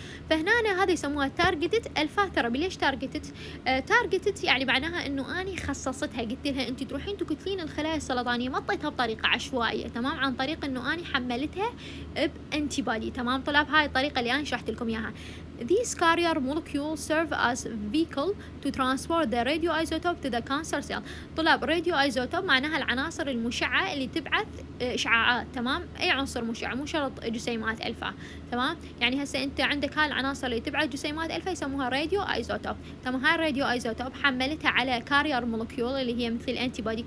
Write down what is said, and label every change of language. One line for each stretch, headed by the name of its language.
Arabic: فهنا هذا يسموها تارجتت الفا ثيرابي. ليش تارجتت؟ تارجتت يعني معناها انه اني خصصتها، قلت لها انت تروحين تقتلين الخلايا السرطانيه، ما طيتها بطريقه عشوائيه، تمام؟ عن طريق انه اني حملتها بانتيبادي، تمام طلاب؟ هاي الطريقه اللي انا شرحت لكم اياها.
English: These carrier molecules serve as vehicle to transport the radioisotope to the cancer cell.
Arabic: طلاب radioisotope معناها العناصر المشعة اللي تبعث إشعاعات، تمام؟ أي عنصر مشع، مو شرط جسيمات ألفا، تمام؟ يعني هسا أنت عندك هالعناصر اللي تبعث جسيمات ألفا يسموها radioisotope، تمام؟ هاي radioisotope حملتها على carrier molecule اللي هي مثل الانتيبادي.